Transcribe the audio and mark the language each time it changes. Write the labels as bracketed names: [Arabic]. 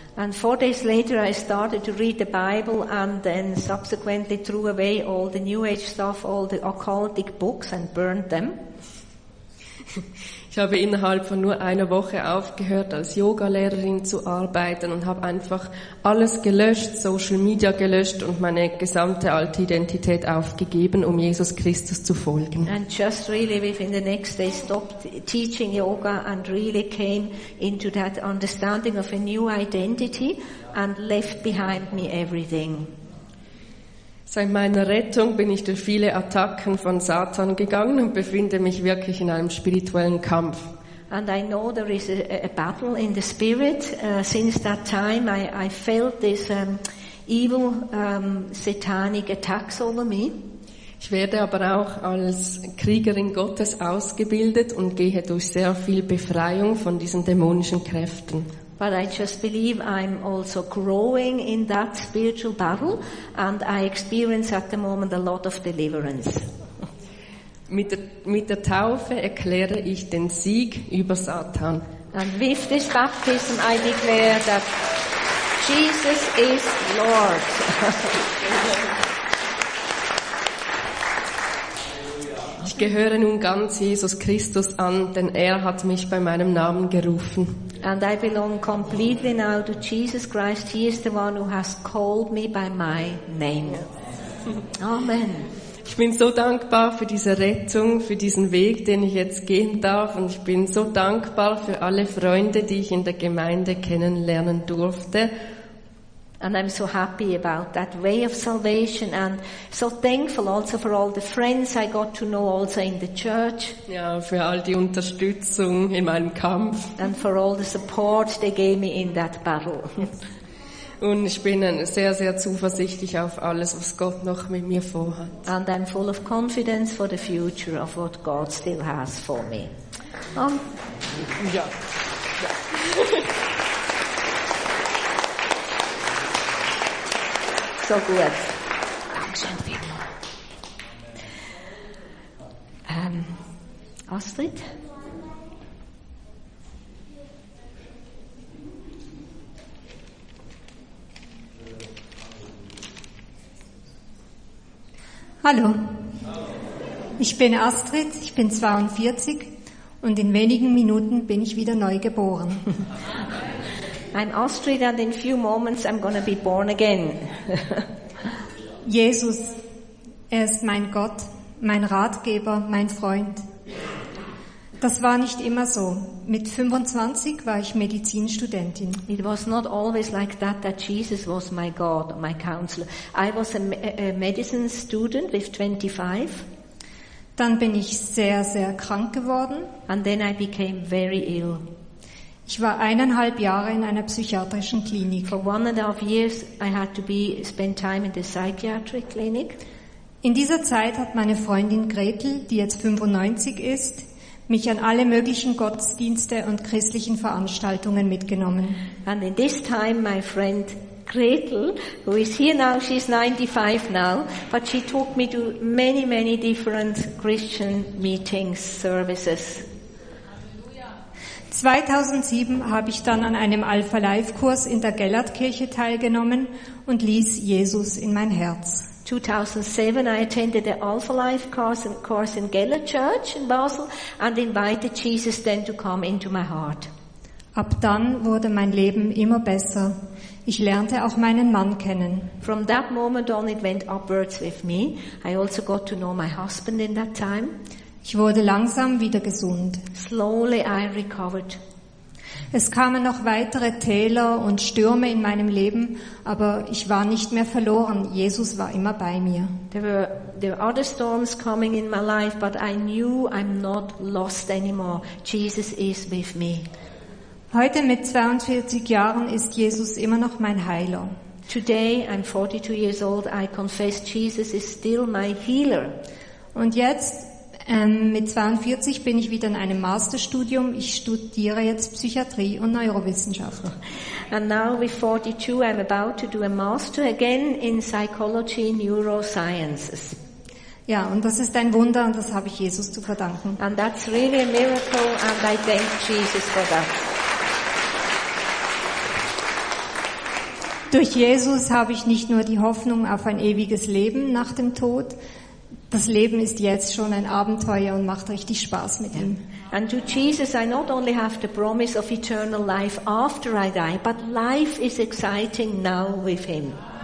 [English] And 4 days later I started to read the Bible and then subsequently threw away all the New Age stuff, all the occultic books and burned them. [German] Ich habe innerhalb von nur einer Woche aufgehört, als Yogalehrerin zu arbeiten, und habe einfach alles gelöscht, Social Media gelöscht und meine gesamte alte Identität aufgegeben, um Jesus Christus zu folgen. [English] And just really within the next day stopped teaching yoga and really came into that understanding of a new identity and left behind me everything. [German] Seit meiner Rettung bin ich durch viele Attacken von Satan gegangen und befinde mich wirklich in einem spirituellen Kampf. [English] And I know there is a battle in the spirit. Since that time I felt this evil satanic attacks over me. [German] Ich werde aber auch als Kriegerin Gottes ausgebildet und gehe durch sehr viel Befreiung von diesen dämonischen Kräften. [English] But I just believe I'm also growing in that spiritual battle and I experience at the moment a lot of deliverance. [German] Mit der Taufe erkläre ich den Sieg über Satan. [English] And with this baptism I declare that Jesus is Lord. [German] Ich gehöre nun ganz Jesus Christus an, denn er hat mich bei meinem Namen gerufen. [English] And I belong completely now to Jesus Christ. He is the one who has called me by my name. Amen. [German] Ich bin so dankbar für diese Rettung, für diesen Weg, den ich jetzt gehen darf. Und ich bin so dankbar für alle Freunde, die ich in der Gemeinde kennenlernen durfte. [English] And I'm so happy about that way of salvation and so thankful also for all the friends I got to know also in the church. [German] Ja, für all die Unterstützung in meinem Kampf. [English] And for all the support they gave me in that battle. [German] Und ich bin sehr, sehr zuversichtlich auf alles, was Gott noch mit mir vorhat. [English] And I'm full of confidence for the future of what God still has for me. [German] Ja. So gut. Dankeschön, Vivian. Astrid? Hallo. Ich bin Astrid, ich bin 42 und in wenigen Minuten bin ich wieder neu geboren. [English] I'm Astrid and in few moments I'm going to be born again. [German] Jesus, er ist mein Gott, mein Ratgeber, mein Freund. Das war nicht immer so. Mit 25 war ich Medizinstudentin. [English] It was not always like that, that Jesus was my God, my counselor. I was a medicine student with 25. [German] Dann bin ich sehr, sehr krank geworden. [English] And then I became very ill. [German] Ich war 1,5 Jahre in einer psychiatrischen Klinik. [English] For 1.5 years I had to spend time in the psychiatric clinic. [German] In dieser Zeit hat meine Freundin Gretel, die jetzt 95 ist, mich an alle möglichen Gottesdienste und christlichen Veranstaltungen mitgenommen. [English] And in this time my friend Gretel, who is here now, she's 95 now, but she took me to many, many different Christian meetings, services. [German] 2007 habe ich dann an einem Alpha Life Kurs in der Gellertkirche teilgenommen und ließ Jesus in mein Herz. [English] 2007 I attended the Alpha Life course in Gellert Church in Basel and invited Jesus then to come into my heart. [German] Ab dann wurde mein Leben immer besser. Ich lernte auch meinen Mann kennen. [English] From that moment on it went upwards with me. I also got to know my husband in that time. [German] Ich wurde langsam wieder gesund. [English] Slowly I recovered. [German] Es kamen noch weitere Täler und Stürme in meinem Leben, aber ich war nicht mehr verloren. Jesus war immer bei mir. [English] There were other storms coming in my life, but I knew I'm not lost anymore. Jesus is with me. [German] Heute mit 42 Jahren ist Jesus immer noch mein Heiler. [English] Today I'm 42 years old. I confess Jesus is still my healer. [German] Und jetzt mit 42 bin ich wieder in einem Masterstudium. Ich studiere jetzt Psychiatrie und Neurowissenschaften. [English] And now with 42 I'm about to do a master again in psychology and neurosciences. [German] Ja, und das ist ein Wunder und das habe ich Jesus zu verdanken. [English] And that's really a miracle and I thank Jesus for that. [German] Durch Jesus habe ich nicht nur die Hoffnung auf ein ewiges Leben nach dem Tod. Das Leben ist jetzt schon ein Abenteuer und macht richtig Spaß mit ihm. [English] And to Jesus I not only have the promise of eternal life after I die, but life is exciting now with him.